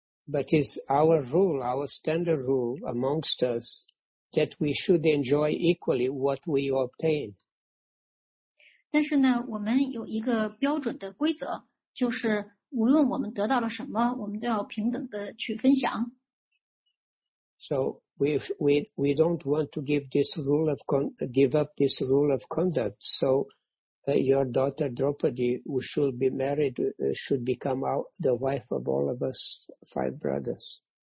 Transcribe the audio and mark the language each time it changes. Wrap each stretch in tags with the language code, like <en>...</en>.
<en>But it's our rule, our standard rule amongst us, that we should enjoy equally what we obtain.</en> <zh>但是呢，我们有一个标准的规则，就是无论我们得到了什么，我们都要平等的去分享。So</zh> <en>we don't want to give up this rule of conduct. So your daughter Draupadi should become the wife of all of us five brothers.</en>